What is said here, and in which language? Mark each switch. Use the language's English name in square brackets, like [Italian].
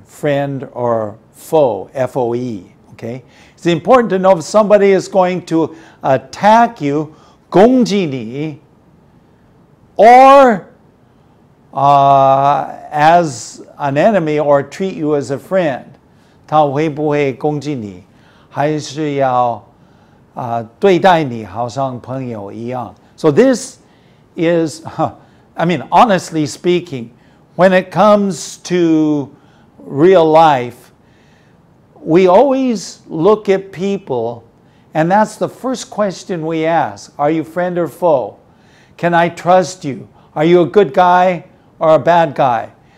[English] Friend or foe, F-O-E, okay? It's important to know if somebody is going to attack you, [Chinese] 攻击你, [English] or as an enemy, or treat you as a friend. [Chinese] 他会不会攻击你，还是要对待你好像朋友一样。 [English] So this is, honestly speaking, when it comes to real life, we always look at people, and that's the first question we ask. Are you friend or foe? Can I trust you? Are you a good guy or a bad guy?